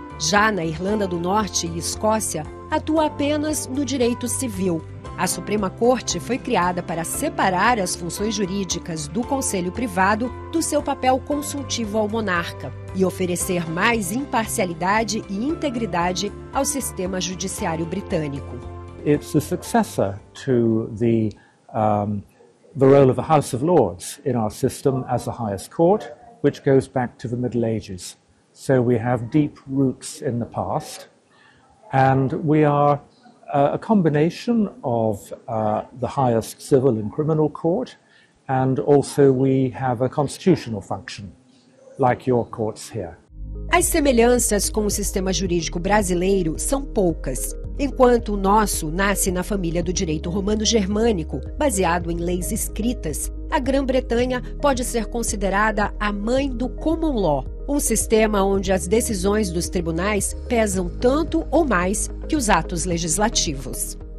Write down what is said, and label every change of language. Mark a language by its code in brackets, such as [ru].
[pt] Já na Irlanda do Norte e Escócia, atua apenas no direito civil. A Suprema Corte foi criada para separar as funções jurídicas do Conselho Privado do seu papel consultivo ao monarca e oferecer mais imparcialidade e integridade ao sistema judiciário britânico. [en] It's a successor to the role of the House of Lords in our system as the highest court, which goes back to the Middle Ages. So we have deep roots in the past, and we are a combination of the highest civil and criminal court, and also we have a constitutional function, like your courts here. [pt] As semelhanças com o sistema jurídico brasileiro são poucas. Enquanto o nosso nasce na família do direito romano-germânico, baseado em leis escritas, a Grã-Bretanha pode ser considerada a mãe do common law, um sistema onde as decisões dos tribunais pesam tanto ou mais que os atos legislativos.